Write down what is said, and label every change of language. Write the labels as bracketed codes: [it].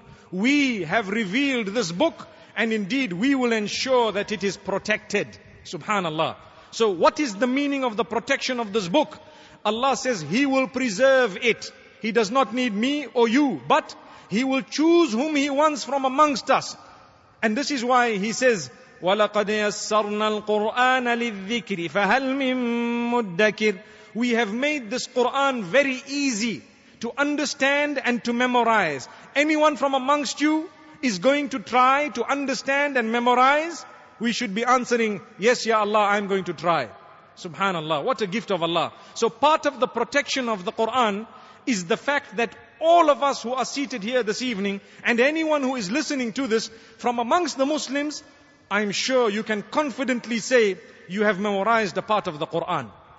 [en] We have revealed this book, and indeed we will ensure that it is protected. Subhanallah. So what is the meaning of the protection of this book? Allah says He will preserve it. He does not need me or you, but He will choose whom He wants from amongst us. And this is why He says, [ar] وَلَقَدْ يَسَّرْنَا الْقُرْآنَ لِلذِّكْرِ فَهَلْ مِن مُدَّكِرٍ. [en] We have made this Quran very easy to understand and to memorize. Anyone from amongst you is going to try to understand and memorize, we should be answering, yes, Ya Allah, I'm going to try. Subhanallah, what a gift of Allah. So part of the protection of the Quran is the fact that all of us who are seated here this evening, and anyone who is listening to this from amongst the Muslims, I'm sure you can confidently say you have memorized a part of the Quran.